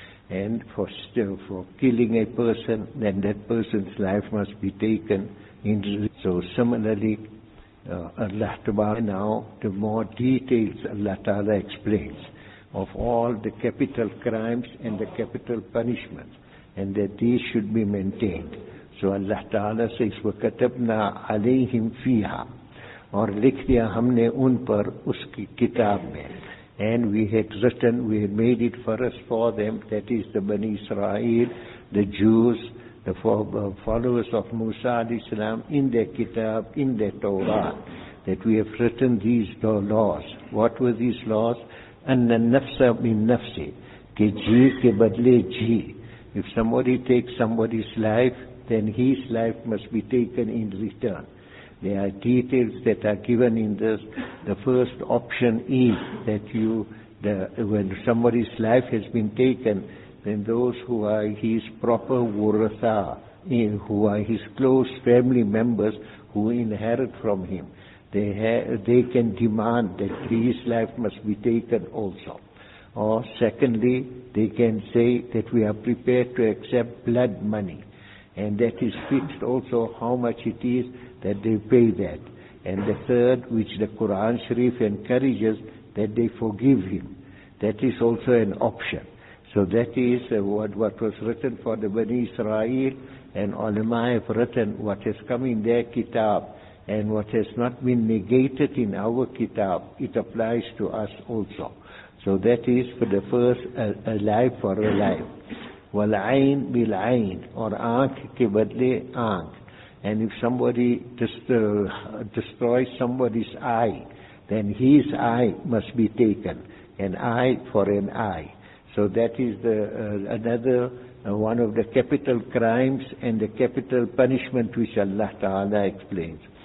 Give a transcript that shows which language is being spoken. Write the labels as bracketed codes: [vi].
[en] And for killing a person, then that person's life must be taken. So similarly, Allah Ta'ala, now the more details Allah Ta'ala explains of all the capital crimes and the capital punishments, and that these should be maintained. So Allah Ta'ala says, [ar] وَكَتَبْنَا عَلَيْهِمْ فِيهَا, [ur] اور لکھ دیا ہم نے ان پر اس کی کتاب میں. [en] And we had written, we had made it for us, for them, that is the Bani Israel, the Jews, the followers of Musa al-Islam, in their kitab, in their Torah, that we have written these laws. What were these laws? [ar] أَنَّ النَّفْسَ بِالنَّفْسِ [ur] کہ جی کے بدلے جی. [en] If somebody takes somebody's life, then his life must be taken in return. There are details that are given in this. The first option is that when somebody's life has been taken, then those who are his proper wuratha, who are his close family members who inherit from him, they can demand that his life must be taken also. Or secondly, they can say that we are prepared to accept blood money. And that is fixed also how much it is that they pay that. And the third, which the Quran Sharif encourages, that they forgive him. That is also an option. So that is what was written for the Bani Israel, and ulama have written what has come in their kitab and what has not been negated in our kitab, it applies to us also. So that is for the first, a life for a life. [ar] وَالْعَيْن بِالْعَيْن, [ur] or آنکھ کے بدلے آنکھ. [en] And if somebody destroys somebody's eye, then his eye must be taken. An eye for an eye. So that is the one of the capital crimes and the capital punishment which Allah Ta'ala explains.